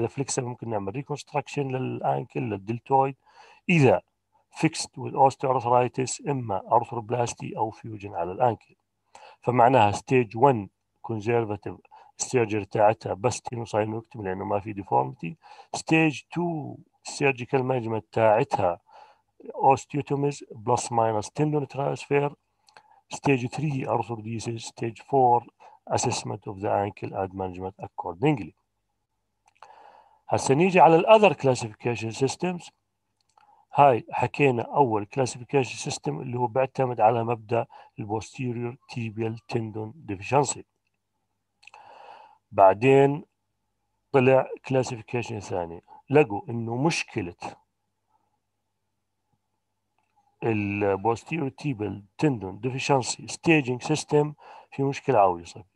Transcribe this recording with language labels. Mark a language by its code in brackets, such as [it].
[ar] اذا فليكسبل ممكن نعمل ريكونستراكشن للانكل للدلتويد، اذا فيكست وذ اوستيوارثرايتس اما ارثروبلاستي او فيوجن على الانكل. فمعناها ستيج 1 كونزرفاتيف سيرجر تاعتها بس تينوساينوكتم لانه ما في ديفورميتي. ستيج 2 سيرجيكال مانجمنت تاعتها اوستيوتوميز بلس ماينس تندون ترانسفير. [en] Stage 3 arthrodesis, stage 4 assessment of the ankle and management accordingly. [ar] هسه نيجي على الاذر classification systems. هاي حكينا اول classification system اللي هو بيعتمد على مبدا posterior tibial tendon deficiency. بعدين طلع classification ثاني، لقوا انه مشكله ال posterior tibial tendon deficiency staging system في مشكلة عويصة.